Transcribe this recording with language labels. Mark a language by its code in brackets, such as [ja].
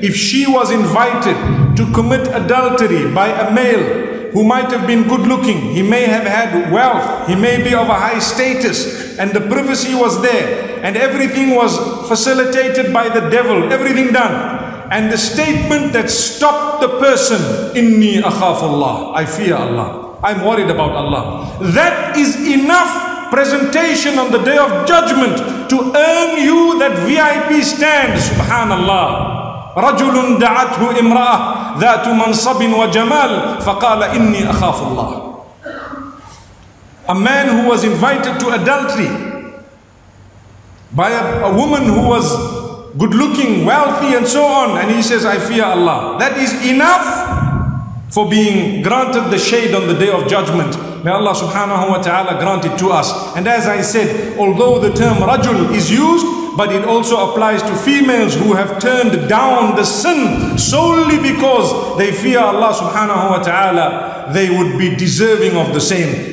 [en] If she was invited to commit adultery by a male who might have been good looking, he may have had wealth, he may be of a high status, and the privacy was there, and everything was facilitated by the devil, everything done. And the statement that stopped the person, [ar] Inni akhafullah, [en] I fear Allah, I'm worried about Allah. That is enough presentation on the day of judgment to earn you that VIP stand, subhanallah. [ar] رجل دعته امرأة ذات منصب وجمال فقال إني أخاف الله. [en] A man who was invited to adultery by a woman who was good looking, wealthy and so on, and he says, I fear Allah. That is enough for being granted the shade on the day of judgment. May Allah subhanahu wa ta'ala grant it to us. And as I said, although the term rajul is used, but it also applies to females who have turned down the sin solely because they fear Allah subhanahu wa ta'ala, they would be deserving of the same.